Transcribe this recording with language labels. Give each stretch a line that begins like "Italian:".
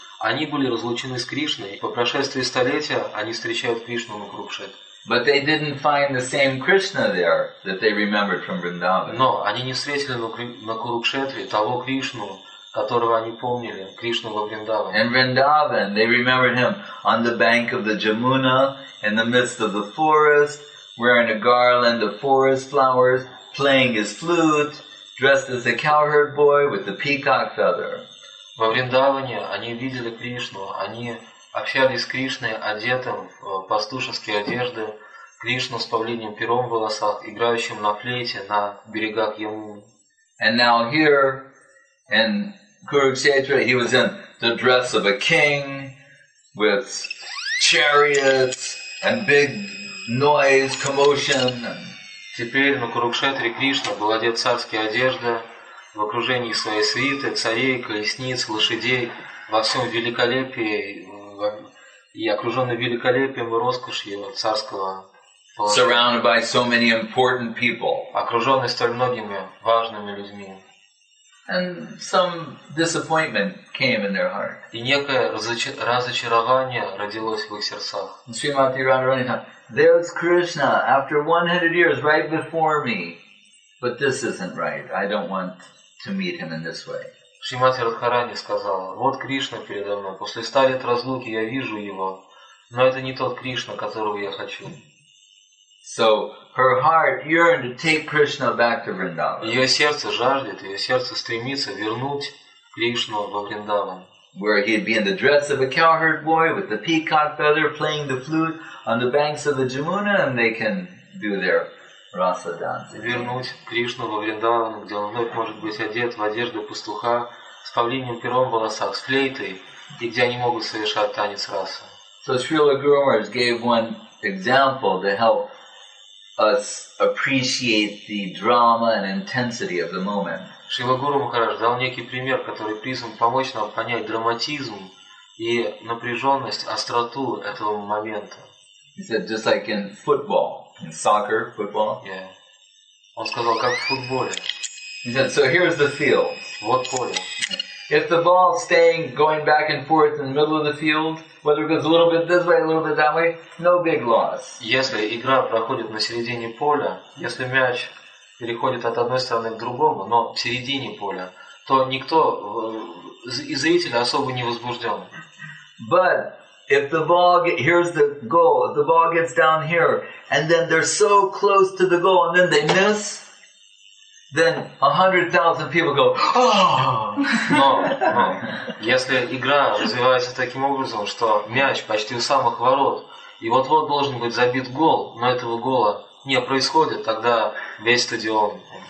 Russian: Они были разлучены с Кришной, и по прошествии столетия они встречают Кришну на Курукшетре. Но они не встретили на Курукшетре того Кришну, которого они помнили, Кришну во Вриндаване.
English: In Vrindavan, they remembered him on the bank of the Jamuna, in the midst of the forest, wearing a garland of forest flowers, playing his flute, dressed as a cowherd boy with the peacock feather.
Russian: Во Вриндаване они видели Кришну, они общались с Кришной, одетым в пастушеские одежды, Кришну с павлиньим пером в волосах, играющим на флейте на берегах Ямуны.
English: And now here, in Kurukshetra, he was in the dress of a king, with chariots, and big noise, commotion.
Russian: Теперь на Курукшетре Кришна был одет в царские одежды, в окружении своей свиты, царей, колесниц, лошадей, во всем великолепии, и окруженный великолепием и роскошью царского положения.
English: Surrounded by so many important people.
Russian: Окруженный столь многими важными людьми.
English: And some disappointment came in their heart.
Russian: И некое разочарование родилось в их сердцах.
English: Srimati Radharani thought, there's Krishna after 100 years right before me. But this isn't right. I don't want to meet him in this way.
Russian: Srimati Radharani сказала, вот Кришна передо мной. После 100 лет разлуки я вижу его. Но это не тот Кришна, которого я хочу.
English: So her heart yearned to take Krishna back to Vrindavan.
Russian: Её сердце жаждет, её сердце стремится вернуть Кришну во Вриндаван.
English: Where he'd be in the dress of a cowherd boy with the peacock feather playing the flute on the banks of the Jamuna and they can do their rasa dancing.
Russian: Вернуть Кришну во Вриндаван, где он вновь может быть одет в одежду пастуха с павлиньим пером в волосах, с флейтой, и где они могут совершать танец раса.
English: So Srila Guru Maharaj gave one example to help us appreciate the drama and intensity of the moment.
Russian: Шрила Гуру Махарадж дал некий пример, который призван помочь нам понять драматизм и напряженность, остроту этого момента.
English: He said, just like in football, in soccer, football. Yeah.
Russian: Он сказал, как в футболе.
English: He said, so here's the field.
Russian: Вот поле.
English: If the ball staying going back and forth in the middle of the field, whether it goes a little bit this way, a little bit that way, no big loss.
Russian: Если игра проходит на середине поля, если мяч переходит от одной стороны к другому, но в середине поля, то никто из зрителей особо не возбужден.
English: But if the ball here's the goal, if the ball gets down here, and then they're so close to the goal, and then they miss. Then 100,000 people go, oh!
Russian: Но, если игра развивается таким образом, что мяч почти у самых ворот, и вот-вот должен быть забит гол, но этого гола не происходит, тогда весь стадион...